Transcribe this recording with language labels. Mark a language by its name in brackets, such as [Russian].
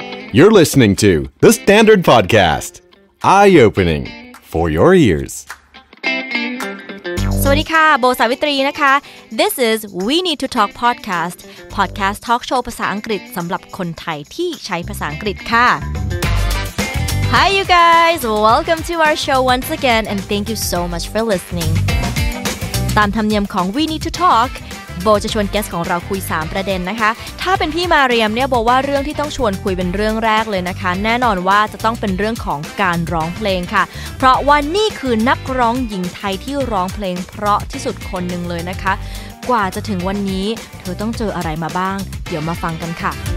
[English] You're listening to The Standard Podcast. Eye-opening for your ears. [Thai] สวัสดีค่ะโบสาวิตรีนะคะ This is We Need To Talk Podcast. Podcast Talk Show ภาษาอังกฤษสำหรับคนไทยที่ใช้ภาษาอังกฤษค่ะ Hi you guys. [English] Welcome to our show once again and thank you so much for listening. [Thai] ตามธรรมเนียมของ We Need To Talkโบจะชวนแกสของเราคุย3ประเด็นนะคะถ้าเป็นพี่มาเรียมเนี่ยโบว่าเรื่องที่ต้องชวนคุยเป็นเรื่องแรกเลยนะคะแน่นอนว่าจะต้องเป็นเรื่องของการร้องเพลงค่ะเพราะว่านี่คือนักร้องหญิงไทยที่ร้องเพลงเพราะที่สุดคนนึงเลยนะคะกว่าจะถึงวันนี้เธอต้องเจออะไรมาบ้างเดี๋ยวมาฟังกันค่ะ